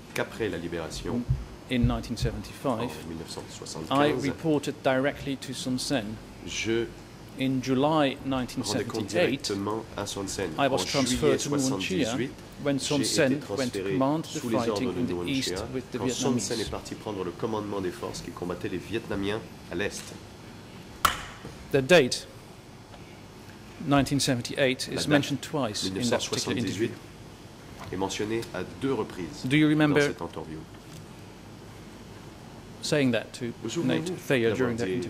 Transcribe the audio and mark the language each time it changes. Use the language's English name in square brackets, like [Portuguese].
[French] qu'après la libération, [English] in 1975, I reported directly to Sun Sen. [French] Je [English] in July 1978, I was transferred to Nguyen Chia when Sun Sen went to command the fighting in the east with the Vietnamese. [French] Quand Sun Sen est parti prendre le commandement des forces qui combattaient les Vietnamiens à l'est. [English] The date, 1978, is mentioned twice in that particular interview. [French] Est mentionné à deux reprises. [English] Do you remember saying that to Nate Thayer during that interview?